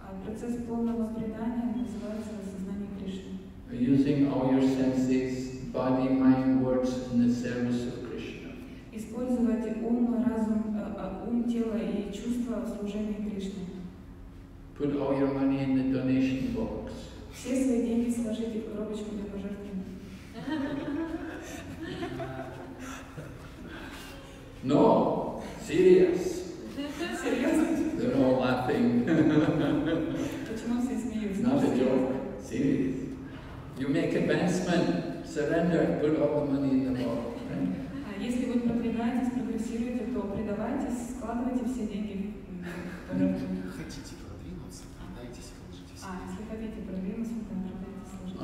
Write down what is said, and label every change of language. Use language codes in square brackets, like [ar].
[ru] Процесс полного предания называется сознание Кришны. [en] Using all your senses, body, mind, words in the service of Krishna. [ru] Использовать ум, разум, ум, тело и чувства в служении Кришне. [en] Put all your money in the donation box. [ru] Все свои деньги сложите в коробочку для пожертвований. [en] No, serious. Serious? They're all laughing. It's not a joke. Serious. You make advancement, surrender, put all the money in the bowl. [ru] Если вы продвигаетесь, прогрессируете, то предавайтесь, складывайте все деньги. Хотите продвинуться, продайтесь, вложите. Если хотите продвинуться, то продайтесь.